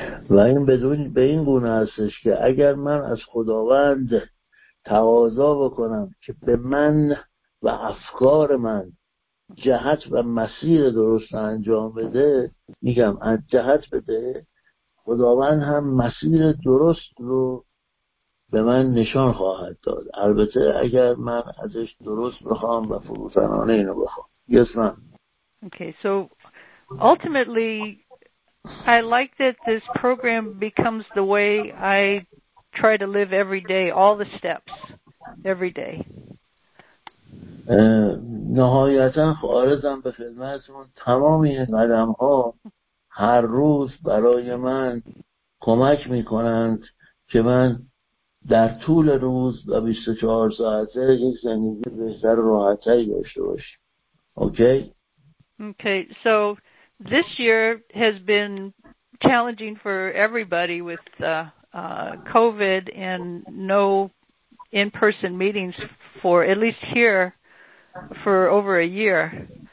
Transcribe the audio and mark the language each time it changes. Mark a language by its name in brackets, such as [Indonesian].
[Persian] و این بدون به این گونه هستش که اگر من از خداوند تقاضا بکنم که به من و افکار من جهت و مسیر درست انجام بده، میگم از جهت بده، خداوند هم مسیر درست رو به من نشان خواهد داد، البته اگر من ازش درست بخوام و فروتنانه اینو بخوام. [English] Yes, ma'am. Okay, so ultimately I like that this program becomes the way I try to live every day, all the steps, every day. [Persian] نهایتاً خارزم به خدمتتون، تمامی قدم‌ها هر روز برای من کمک می‌کنند که من در طول روز و 24 ساعته یک زندگی بهتر و راحت‌تری داشته باشم. [English] Okay? Okay, so this year has been challenging for everybody with COVID and no in-person meetings for, at least here, for over a year.